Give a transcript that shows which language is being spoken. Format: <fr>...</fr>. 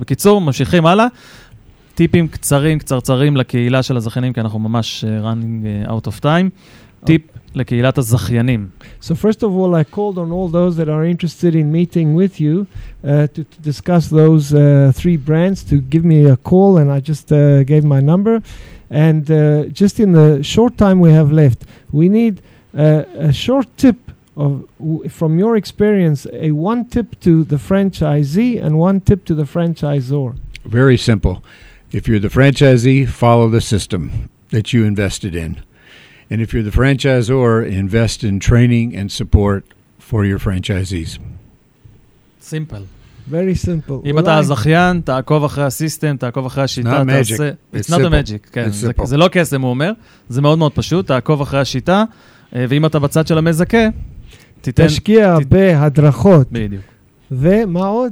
<he>בקיצור, ממשיכים הלאה, טיפים קצרים קצרצרים לקהילה של הזכיינים, כי אנחנו ממש</he> <en>running out of time.</en> <he>טיפ לקהילת הזכיינים.</he> <en>So first of all, I called on all those that are interested in meeting with you to discuss those three brands to give me a call, and I just gave my number, and just in the short time we have left, we need a short tip of from your experience, a one tip to the franchisee and one tip to the franchisor. Very simple. If you're the franchisee, follow the system that you invested in. And if you're the franchisor, invest in training and support for your franchisees. Simple. Very simple.</en> <he>אם אתה הזכיין, תעקוב אחרי הסיסטם, תעקוב אחרי השיטה,</he> <en>it's not a magic.</en> <he>זה לא קסם, הוא אומר. זה מאוד מאוד פשוט. תעקוב אחרי השיטה, ואם אתה בצד של המזכה, תשקיע בהדרכות. בדיוק. ומה עוד?</he>